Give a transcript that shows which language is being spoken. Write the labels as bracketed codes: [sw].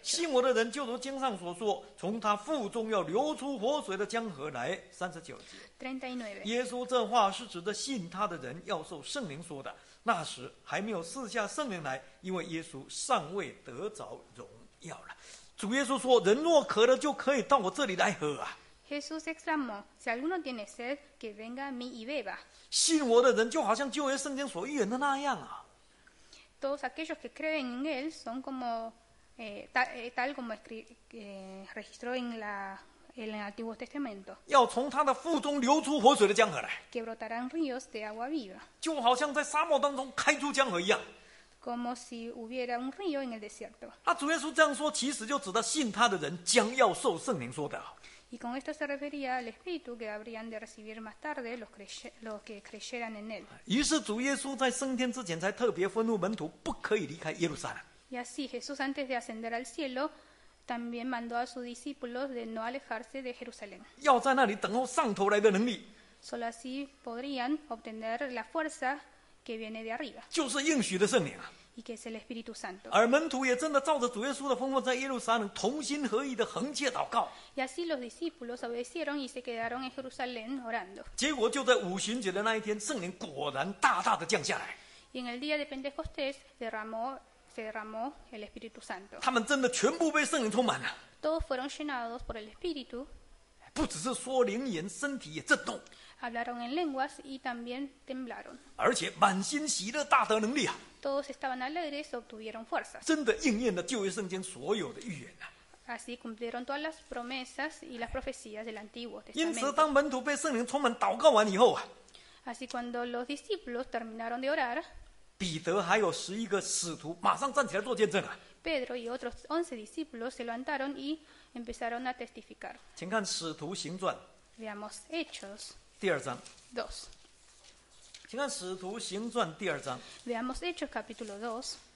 [zh] 信我的人，就如经上所说，从他腹中要流出活水的江河来。 39节。 [es] 39. [zh] 耶稣这话是指的信他的人要受圣灵说的。那时还没有赐下圣灵来，因为耶稣尚未得着荣耀了。主耶稣说：“人若渴了，就可以到我这里来喝啊。” [es] Jesús exclamó: Si alguno tiene sed, que venga a mí y beba. [zh] 信我的人就好像旧约圣经所预言的那样啊。 [es] Todos aquellos que creen en él son como tal como registró en la en el Antiguo Testamento. [zh] 要从他的腹中流出活水的江河来。 [es] Que brotarán ríos de agua viva. [zh] 就好像在沙漠当中开出江河一样。 [es] Como si hubiera un río en el desierto. [zh] 那主耶稣这样说，其实就指的信他的人将要受圣灵说的。 [es] Y con esto se refería al Espíritu que habrían de recibir más tarde los que creyeran en él. [zh] 于是主耶稣在升天之前才特别吩咐门徒不可以离开耶路撒冷。 [es] Y así Jesús antes de ascender al cielo también mandó a sus discípulos de no alejarse de Jerusalén. [zh] 要在那里等候上头来的能力。 [es] Solo así podrían obtener la fuerza que viene de arriba. [zh] 就是应许的圣灵啊。 [es] Y que es el Espíritu Santo. [zh] 而门徒也真的照着主耶稣的吩咐，在耶路撒冷同心合意的恒切祷告。 [es] Y así los discípulos obedecieron y se quedaron en Jerusalén orando. [zh] 结果就在五旬节的那一天，圣灵果然大大的降下来。 [es] Y en el día de Pentecostés se derramó el Espíritu Santo. [zh] 他们真的全部被圣灵充满了。 [es] Todos fueron llenados por el Espíritu. [zh] 不只是说灵言，身体也震动。 [es] Hablaron en lenguas y también temblaron. [zh] 而且满心喜乐，大得能力啊。 [es] Todos estaban alegres, obtuvieron fuerza. [zh] 真的应验了旧约圣经所有的预言啊。 [es] Así cumplieron todas las promesas y las profecías del Antiguo Testamento. [zh] 因此，当门徒被圣灵充满祷告完以后啊。 [es] Así cuando los discípulos terminaron de orar. [zh] 彼得还有十一个使徒马上站起来做见证啊。 [es] Pedro y otros once discípulos se levantaron y empezaron a testificar. [zh] 请看《使徒行传》。 [es] Veamos Hechos. [zh] 第二章。 [es] Dos. [zh] 请看《使徒行传》第二章。 [es] Veamos Hechos capítulo dos.